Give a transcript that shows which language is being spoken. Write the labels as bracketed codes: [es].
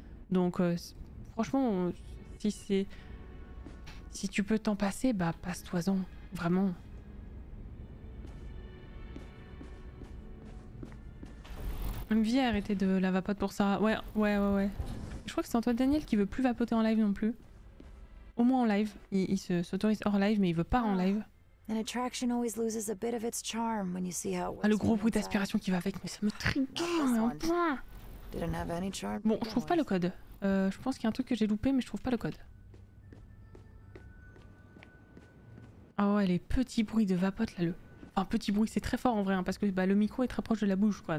[fr] Donc franchement, si tu peux t'en passer, bah passe-toi-en, vraiment. MV a arrêté de la vapote pour ça. Ouais. Je crois que c'est Antoine Daniel qui veut plus vapoter en live non plus. Au moins en live, il s'autorise hors live mais il veut pas en live. [en] An attraction always loses a bit of its charm when you see how it works. [fr] Ah, le gros bruit d'aspiration qui va avec, mais ça me trigger, mais en point. Bon, je trouve pas le code. Je pense qu'il y a un truc que j'ai loupé, mais je trouve pas le code. Oh ouais, les petits bruits de vapote là, enfin petit bruit, c'est très fort en vrai, hein, parce que bah, le micro est très proche de la bouche, quoi.